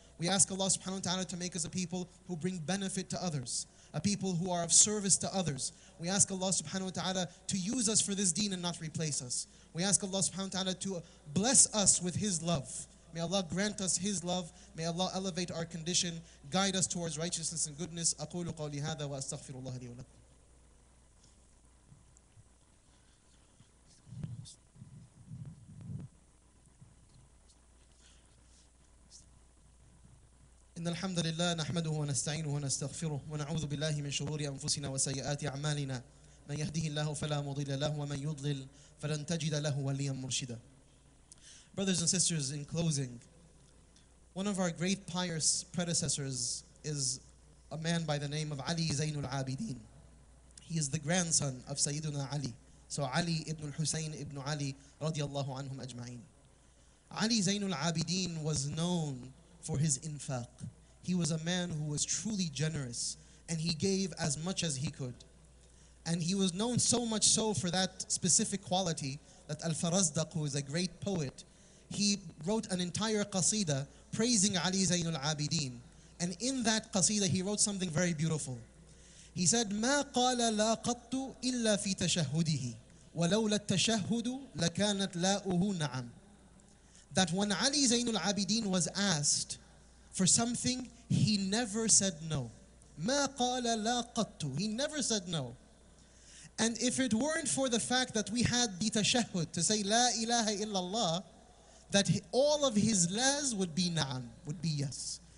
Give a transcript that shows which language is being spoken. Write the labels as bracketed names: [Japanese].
[English] We ask Allah subhanahu wa ta'ala to make us a people who bring benefit to others, a people who are of service to others. We ask Allah subhanahu wa ta'ala to use us for this deen and not replace us. We ask Allah subhanahu wa ta'ala to bless us with His love. May Allah grant us His love. May Allah elevate our condition, guide us towards righteousness and goodness. [Arabic] أقول قولي هذا وأستغفر الله لي ولكم. إن الحمد لله نحمده ونستعينه ونستغفره ونعوذ بالله من شرور أنفسنا وسيئات أعمالنا. من يهده الله فلا مضل له ومن يضلل فلن تجد له وليا مرشدا. [English] Brothers and sisters, in closing, one of our great pious predecessors is a man by the name of Ali Zainul Abidin. He is the grandson of Sayyidina Ali, [Arabic] سو علي ابن الحسين ابن علي رضي الله عنهم أجمعين. [English] علي زين العابدين was known for his infaq. He was a man who was truly generous and he gave as much as he could. And he was known so much so for that specific quality that Al-Farazdaq, who is a great poet, he wrote an entire qasida praising Ali Zain al-Abidin. And in that qasida, he wrote something very beautiful. He said, [Arabic] مَا قَالَ لَا قَطُّ إِلَّا فِي تَشَهُدِهِ وَلَوْلَا التَّشَهُدُ لَكَانَتْ لَاؤُهُ نَعَمْ. [English] That when Ali Zain al-Abidin was asked for something, he never said no. [Arabic] مَا قَالَ لَا قَطُّ. [English] He never said no. And if it weren't for the fact that we had the tashahud to say la ilaha illallah, that all of his la's would be na'am, would be yes.